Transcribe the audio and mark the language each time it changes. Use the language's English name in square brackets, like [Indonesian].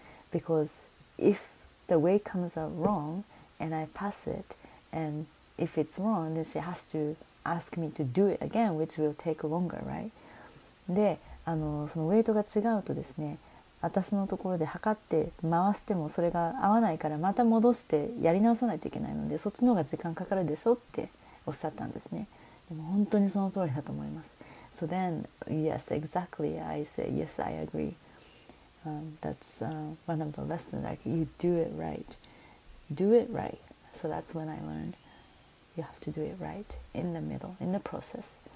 [English] Because if the weight comes out wrong and I pass it, and if it's wrong, then she has toask me to do it again, which will take longer, right? [Japanese] で、あの、そのウェイトが違うとですね、私のところで測って回してもそれが合わないからまた戻してやり直さないといけないので、そっちの方が時間かかるでしょっておっしゃったんですね。でも本当にその通りだと思います。 [English] So then, yes, exactly, I say, yes, I agree. That's one of the lessons, like, you do it right. Do it right. So that's when I learned. You have to do it right in the middle, in the process.